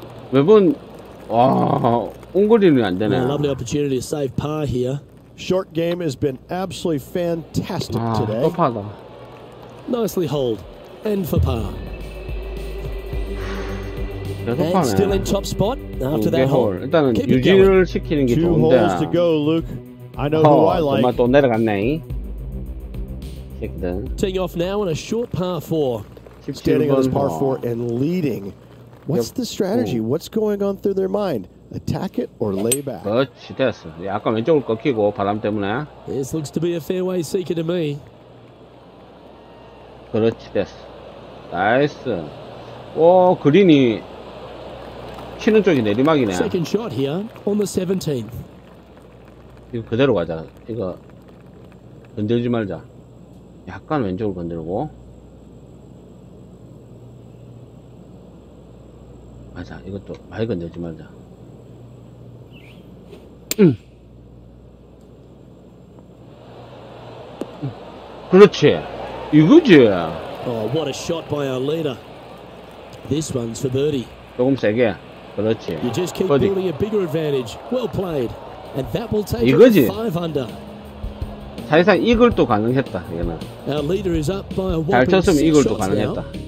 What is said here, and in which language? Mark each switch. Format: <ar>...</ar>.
<ko>매번, 와, 옹골이는 안 되네.</ko> <en>Well, lovely opportunity to save par here. Short game has been absolutely fantastic 아, today.</en> <ko>급하다.</ko> <en>Nicely hold. End for par. And still in top spot after that hole.</en> <ko>일단은 유지를 시키는 게 좋은데.</ko> <en>Two holes to go, Luke. I know 어, who I like.</en> <ko>엄마 또 내려갔네. 시키든.</ko> <en>Taking off now on a short par 4. Standing on this par 4 and leading. What's the strategy? What's going on through their mind? Attack it or lay back?</en> <ko>그렇지, 됐어. 약간 왼쪽을 꺾이고 바람 때문에.</ko> <en>This looks to be a fairway seeker to me.</en> <ko>그렇지, 됐어. 나이스. 오, 그린이 치는 쪽이 내리막이네.</ko> <en>Second shot here on the 17th.</en> <ko>이거 그대로 가자. 이거 건들지 말자. 약간 왼쪽을 건들고. 맞아, 이것도 많이 건들지 말자. 그렇지. 이거지.</ko> <en>Oh, what a shot by our leader. This one's for birdie.</en> <ko>조금 세게. 그렇지.</ko> <en>You just keep</en> <ko>버디.</ko> <en>Building a bigger advantage. Well played. And that will take</en> <ko>이거지. 5 under. 사실상 이글도 가능했다. 이거는.</ko> <en>Our leader is up by a</en> <ko>잘 쳤으면 이글도 가능했다.</ko>